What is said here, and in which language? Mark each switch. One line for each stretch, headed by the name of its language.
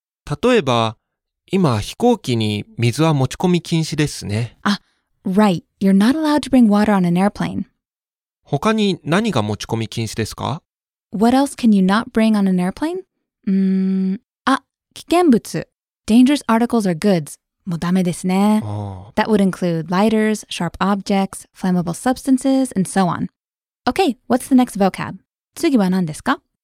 Japanese: 例えば、今飛行機に水は持ち込み禁止ですね。
English: あ、right. You're not allowed to bring water on an airplane.
Japanese: 他に何が持ち込み禁止ですか?
English: What else can you not bring on an airplane?
Japanese: あ、危険物。
English: Dangerous articles or goods.
Japanese: もうダメですね。
English: That would include lighters, sharp objects, flammable substances, and so on. Okay, what's the next vocab?
Japanese: 次は何ですか?